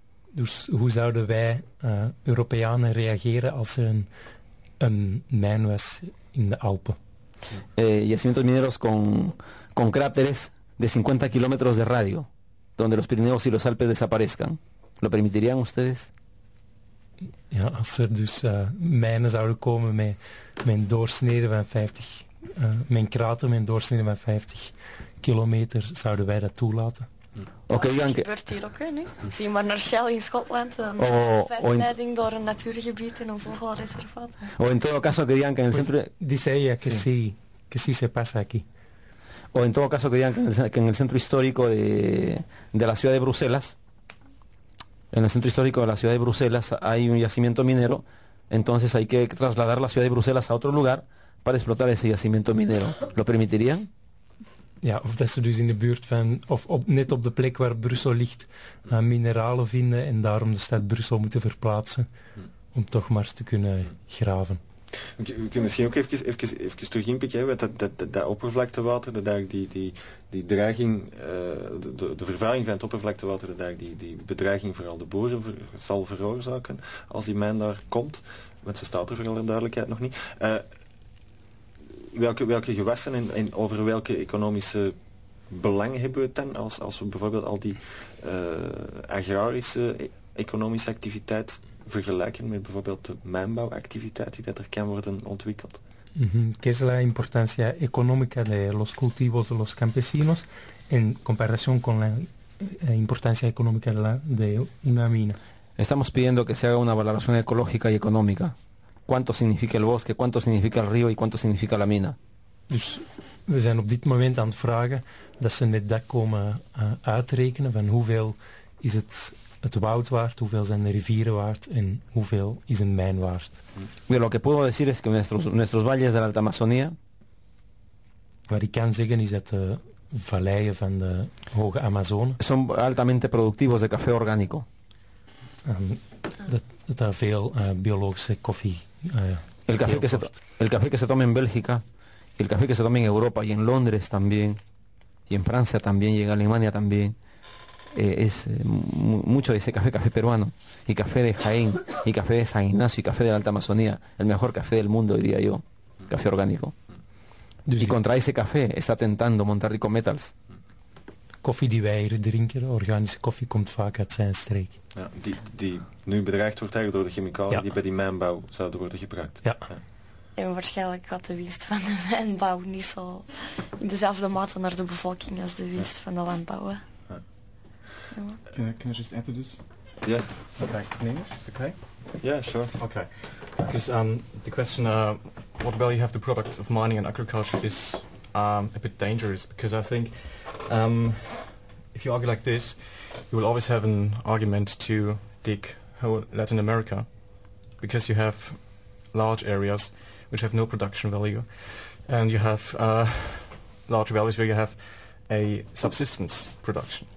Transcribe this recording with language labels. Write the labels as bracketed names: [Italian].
[Dutch] Dus hoe zouden wij Europeanen reageren als er een mijn was in de Alpen? [Spanish] Yacimientos mineros con cráteres de 50 kilómetros de radio, donde los Pirineos y los Alpes desaparezcan. ¿Lo permitirían ustedes? [Dutch] Ja, als er dus mijnen zouden komen met mijn doorsnede van 50, mijn krater met een doorsnede van 50 kilometer, zouden wij dat toelaten? Okay, ja, dat gebeurt hier ook, hè. Zie maar naar Shell in Schotland, verleiding door een natuurgebied en een vogelreservaat. [Spanish] O in todo caso querían que en el centro... [Dutch] Die zei ja, [Spanish] que sí se pasa aquí. O en todo caso querían que en el centro histórico de la ciudad de Bruselas, en el centro histórico de la ciudad de Bruselas hay un yacimiento minero, entonces hay que trasladar la ciudad de Bruselas a otro lugar para explotar ese yacimiento minero. ¿Lo permitirían? [Dutch] Ja, of dat ze dus in de buurt van, of op, net op de plek waar Brussel ligt, mineralen vinden en daarom de stad Brussel moeten verplaatsen om toch maar te kunnen graven. Kun je misschien ook even terug inpikken, dat oppervlaktewater, die dreiging, de vervuiling van het oppervlaktewater, die bedreiging vooral de boeren zal veroorzaken als die mijn daar komt, want ze staat er vooral in duidelijkheid nog niet. Welke gewassen en over welke economische belangen hebben we het dan als we bijvoorbeeld al die agrarische economische activiteit vergelijken met bijvoorbeeld de mijnbouwactiviteit die dat er kan worden ontwikkeld? [Spanish] ¿Qué es la importancia económica de los cultivos de los campesinos en comparación con la importancia económica de una mina? Estamos pidiendo que se haga una valoración ecológica y económica. ¿Cuánto significa el bosque? ¿Cuánto significa el río? ¿Y cuánto significa la mina? [Dutch] Dus we zijn op dit moment aan het vragen dat ze net dat komen uitrekenen van hoeveel is het woud waard, hoeveel zijn de rivieren waard en hoeveel is een mijn waard. [Spanish] De lo que puedo decir es que nuestros valles de la Alta Amazonía. [Dutch] Wat ik kan zeggen is dat de valleien van de Hoge Amazone [Spanish] son altamente productivos de café orgánico. [Dutch] Dat daar veel biologische koffie [Spanish] el café que se toma en Bélgica, el café que se toma en Europa y en Londres también, y en Francia también, y en Alemania también. Es mucho de ese café peruano, y café de Jaén, y café de San Ignacio, y café de la Alta Amazonía, el mejor café del mundo, diría yo, café orgánico. Dus y contra ese café está tentando Monterrico Metals. [Dutch] Koffie die wij hier drinken, organische koffie, komt vaak uit zijn streek. Ja, die nu bedreigd wordt eigenlijk door de chemicaliën, ja, die bij die mijnbouw zouden worden gebruikt. Ja. Ja. En waarschijnlijk gaat de winst van de mijnbouw niet zo in dezelfde mate naar de bevolking als de winst van de landbouw. [English] Can I just add to this? Yeah. Okay, in English, is it okay? Yeah, sure. Okay. Because the question, what value have the products of mining and agriculture, is a bit dangerous, because I think if you argue like this, you will always have an argument to dig whole Latin America, because you have large areas which have no production value, and you have large values where you have a subsistence production.